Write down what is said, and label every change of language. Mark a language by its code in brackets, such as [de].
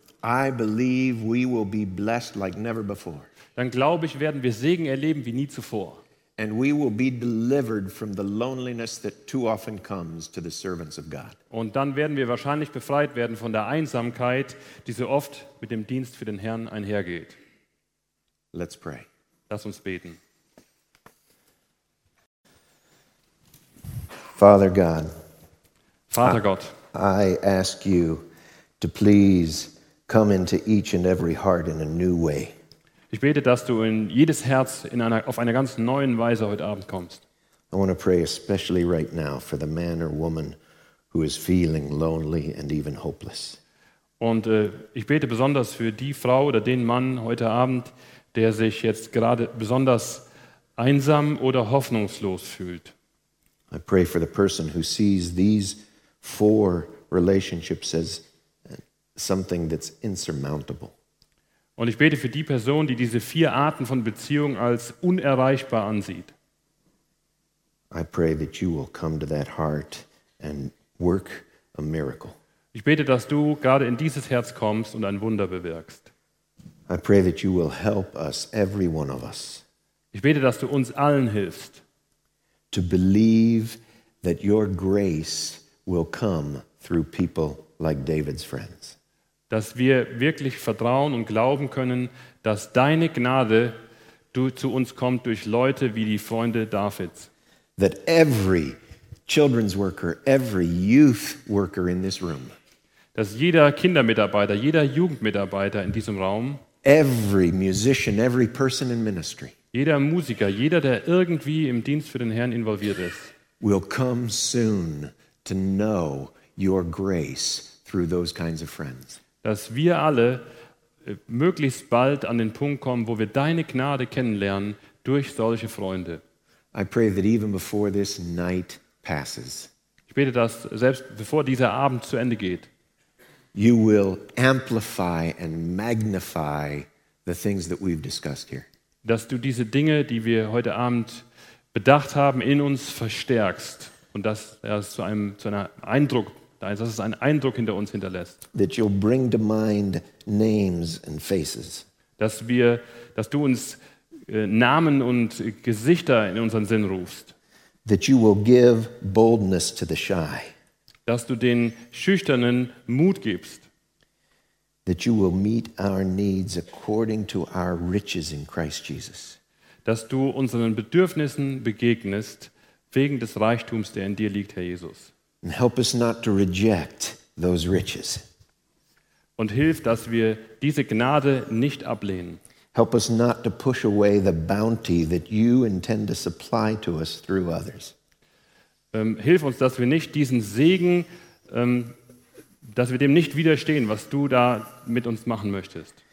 [en] I believe we will be blessed like never before. [de] Dann glaube ich, werden wir Segen erleben wie nie zuvor. [en] And we will be delivered from the loneliness that too often comes to the servants of God. [de] Und dann werden wir wahrscheinlich befreit werden von der Einsamkeit, die so oft mit dem Dienst für den Herrn einhergeht. [en] Let's pray. [de] Lass uns beten. [en] Father God. [de] Vater Gott. [en] I ask you to please come into each and every heart in a new way. [de] Ich bete, dass du in jedes Herz in einer, auf eine ganz neuen Weise heute Abend kommst. [en] I want to pray especially right now for the man or woman who is feeling lonely and even hopeless. [de] Und ich bete besonders für die Frau oder den Mann heute Abend, der sich jetzt gerade besonders einsam oder hoffnungslos fühlt. [en] I pray for the person who sees these four relationships as something that's insurmountable. [de] Und ich bete für die Person, die diese vier Arten von Beziehung als unerreichbar ansieht. [en] I pray that you will come to that heart and work a miracle. [de] Ich bete, dass du gerade in dieses Herz kommst und ein Wunder bewirkst. [en] I pray that you will help us, every one of us. [de] Ich bete, dass du uns allen hilfst. [en] To believe that your grace will come through people like David's friends. [de] Dass wir wirklich vertrauen und glauben können, dass deine Gnade zu uns kommt durch Leute wie die Freunde Davids. [en] That every children's worker, every youth worker in this room. [de] Dass jeder Kindermitarbeiter, jeder Jugendmitarbeiter in diesem Raum. [en] Every musician, every person in ministry. [de] Jeder Musiker, jeder, der irgendwie im Dienst für den Herrn involviert ist. [en] Will come soon to know your grace through those kinds of friends. [de] Dass wir alle möglichst bald an den Punkt kommen, wo wir deine Gnade kennenlernen durch solche Freunde. [en] I pray that even before this night passes. [de] Ich bete, dass selbst bevor dieser Abend zu Ende geht, [en] you will amplify and magnify the things that we've discussed here. [de] Dass du diese Dinge, die wir heute Abend bedacht haben, in uns verstärkst und dass es einen Eindruck hinter uns hinterlässt. [en] That you'll bring to mind names and faces. [de] Dass du uns Namen und Gesichter in unseren Sinn rufst. [en] That you will give boldness to the shy. [de] Dass du den Schüchternen Mut gibst. [en] That you will meet our needs according to our riches in Christ Jesus. [de] Dass du unseren Bedürfnissen begegnest wegen des Reichtums, der in dir liegt, Herr Jesus. [en] And help us not to reject those riches. [de] Und hilf, dass wir diese Gnade nicht ablehnen. [en] Help us not to push away the bounty that you intend to supply to us through others. [de] Hilf uns, dass wir nicht diesen Segen, dass wir dem nicht widerstehen, was du da mit uns machen möchtest.